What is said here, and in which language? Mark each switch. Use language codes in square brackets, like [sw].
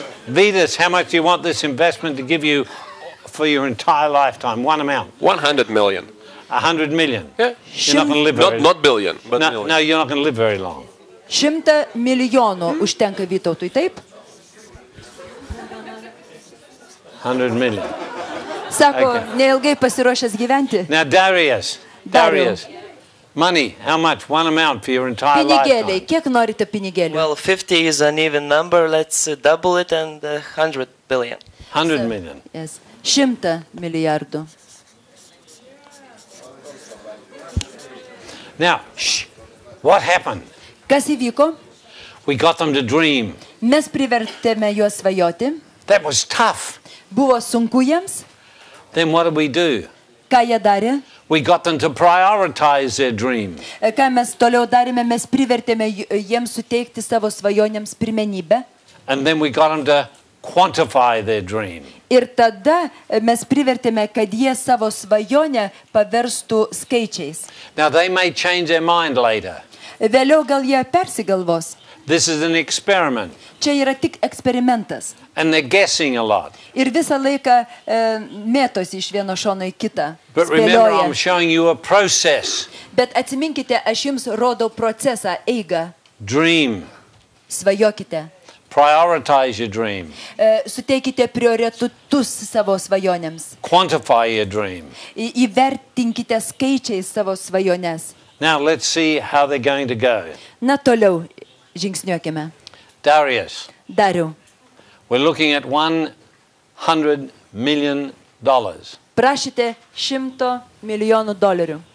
[en] Vitas, how much do you want this investment to give you for your entire lifetime? One amount. 100 million. 100 million. Yeah. You're not going to live not billion, but no, million. No, you're not going to live very long. [lt] 100 milijonų užtenka Vytautui, taip? [en] 100 million. [lt] Sako, okay. Neilgai pasiruošęs gyventi. [en] Now, Darius. Money, how much? One amount for your entire [lt] pinigėliai. [en] Lifetime. [lt] Pinigėliai, kiek norite pinigėlių? [en] Well, 50 is an even number. Let's double it and 100 billion. 100 million. [lt] Yes. 100 milijardų. [en] Now, what happened? [lt] Kas įvyko? [en] We got them to dream. [lt] Mes privertėme juos svajoti. [en] That was tough. [lt] Buvo sunku jiems. [en] Then what did we do? [lt] Ką jie darė? [en] We got them to prioritize their dream. [lt] Ką mes toliau darėme, mes privertėme jiems suteikti savo svajonėms pirmenybę. [en] And then we got them to quantify their dream. [lt] Ir tada mes privertėme, kad jie savo svajonę paverstų skaičiais. [en] Now they may change their mind later. [lt] Vėliau gal jie persigalvos. [en] This is an experiment. [lt] Čia yra tik eksperimentas. [en] And they're guessing a lot. [lt] Ir visą laiką mėtosi iš vieno šono į kitą. [en] But remember, I'm showing you a process. [lt] Bet atsiminkite, aš jums rodau procesą, eigą. [en] Dream. [lt] Svajokite. [en] Prioritize your dream. [lt] Suteikite prioritetus savo svajonėms. [en] Quantify your dream. [lt] Įvertinkite skaičiais savo svajones. [en] Now let's see how they're going to go. [lt] Na toliau žingsniuokime. [en] Darius. [lt] Dariu. [en] We're looking at $100 million. [lt] Prašite 100 milijonų dolerių.